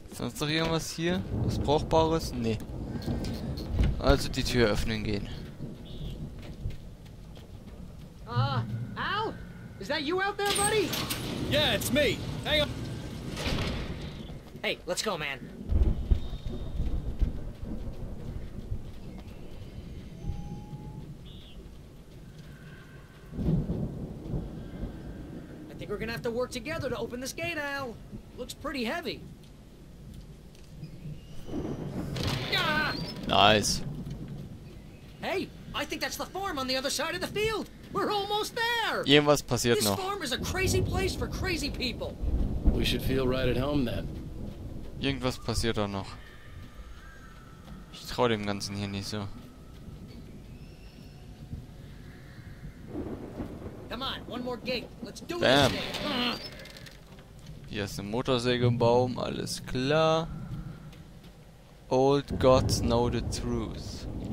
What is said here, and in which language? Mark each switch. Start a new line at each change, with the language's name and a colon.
German: Ist doch irgendwas hier? Was Brauchbares? Nee. Also die Tür öffnen gehen.
English: Al? Is that you out there, buddy? Yeah, it's me. Hang on. Hey, let's go, man. I think we're gonna have to work together to open this gate, Al. Looks pretty heavy. Nice. Hey, I think that's the farm on the other side of the field. We're almost there.
German: Irgendwas passiert noch.
English: This farm is a crazy place for crazy people. We should feel right at home then.
German: Irgendwas passiert auch noch. Ich trau dem Ganzen hier nicht so.
English: Come on, one more gate. Let's do Bam. This.
German: Hier ist eine Motorsäge im Baum, alles klar.
English: Old gods know the truth.